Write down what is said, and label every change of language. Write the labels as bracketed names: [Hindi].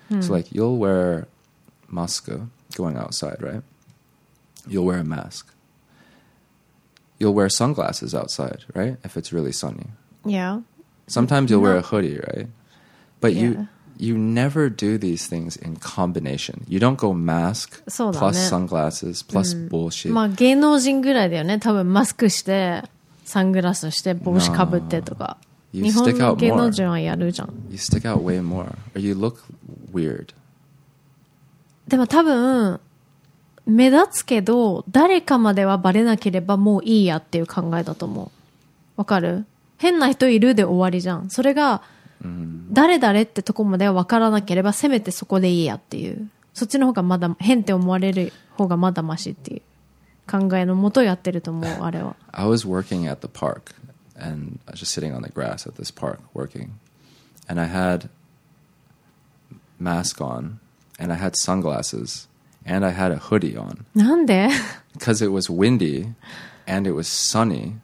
[English] So like you'll wear mask going outside, right? You'll wear a mask. You'll wear sunglasses outside, right? If it's really sunny. Yeah. Sometimes you'll wear a hoodie, right? But you never do these things in combination. You don't go mask plus sunglasses plus bullshit. [Japanese] まあ芸能人ぐらいだよね。多分マスクしてサングラスして帽子かぶってとか、 [English] no. [Japanese] 日本の芸能人はやるじゃん。 [English] You stick out way more. Or you look weird. [Japanese] でも多分目立つけど誰かまではバレなければもういいやっていう考えだと思う。わかる？変な人いるで終わりじゃん。それが誰誰ってとこまではわからなければせめてそこでいいやっていう。そっちの方がまだ変って思われる方がまだマシっていう。考えのもとやってると思う、あれは。 [English] I was working at the park, and I was just sitting on the grass at this park working, and I had mask on, and I had sunglasses, and I had a hoodie on. [Japanese] なんで？ [English] Because it was windy, and it was sunny.